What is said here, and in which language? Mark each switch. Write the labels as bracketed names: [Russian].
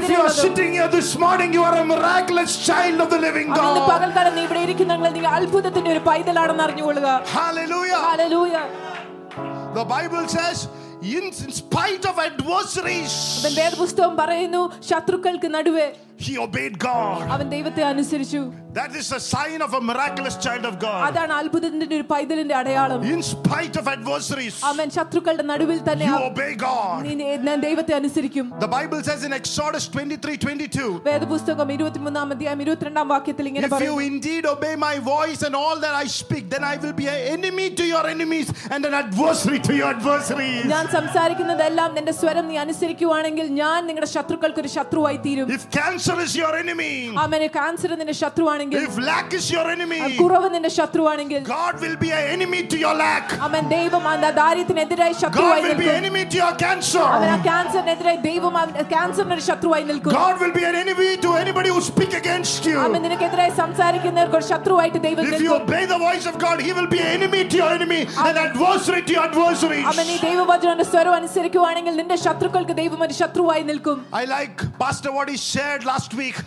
[English] If you are sitting here this morning, you are a miraculous child of the living God. [Malayalam] അന്ന് പകൽക്കാലം നീ ഇവിടെ ഇരിക്കുന്നെങ്കിൽ നീ അത്ഭുതത്തിന്റെ ഒരു പൈതലാണെന്ന് അറിഞ്ഞുകൊള്ളുക. [English] Hallelujah. Hallelujah. The Bible says in spite of adversaries. [Malayalam] അവൻ വേദപുസ്തകം പറയുന്നു, ശത്രുക്കൾക്ക് നടുവെ [English] he obeyed God. [Malayalam] അവൻ ദൈവത്തെ അനുസരിച്ചു. [English] That is a sign of a miraculous child of God. [Malayalam] അതാണ് അത്ഭുതത്തിന്റെ ഒരു പൈതലിന്റെ അടയാളം. [English] In spite of adversaries. [Malayalam] അവൻ ശത്രുക്കളുടെ നടുവിൽ തന്നെ [English] you obey God. [Malayalam] നീ ദൈവത്തെ അനുസരിക്കും. [English] The Bible says in Exodus 23:22. [Malayalam] വേദപുസ്തകം 23 ആമത്തെ 22 ആം വാക്യത്തിൽ ഇങ്ങനെ പറയുന്നു. [English] If you indeed obey my voice and all that I speak, then I will be an enemy to your enemies and an adversary to your adversaries. [Malayalam] ഞാൻ സംസാരിക്കുന്നതെല്ലാം നിന്റെ സ്വരം നീ അനുസരിക്കുവാണെങ്കിൽ ഞാൻ നിന്റെ ശത്രുക്കൾക്ക് ഒരു ശത്രുവായി തീരും. [English] If cancer is your enemy. [Malayalam] അവന് കാൻസർ നിന്റെ ശത്രുവാണ്. [English] If lack is your enemy, [Malayalam] കുറവ് നിന്റെ ശത്രുവാണെങ്കിൽ [English] God will be an enemy to your lack. [Malayalam] അവൻ ദൈവമാണ് ദാരിദ്ര്യത്തിനെതിരായി ശത്രുവായി നിൽക്കും. [English] God will be an enemy to your cancer. [Malayalam] അവൻ കാൻസറിനെതിരായി ദൈവമാണ് കാൻസറിനെ ശത്രുവായി നിൽക്കും. [English] God will be an enemy to anybody who speak against you. [Malayalam] അവൻ നിനക്കെതിരായി സംസാരിക്കുന്നവർക്ക് ശത്രുവായിട്ട് ദൈവം നിൽക്കും. [English] If you obey the voice of God, he will be an enemy to your enemy and adversary to your adversaries. [Malayalam] അവൻ ഈ ദൈവവചനത്തിന്റെ സ്വരം അനുസരിക്കുവാണെങ്കിൽ നിന്റെ ശത്രുക്കൾക്ക് ദൈവം ഒരു ശത്രുവായി നിൽക്കും. [English] I like Pastor what he shared last week.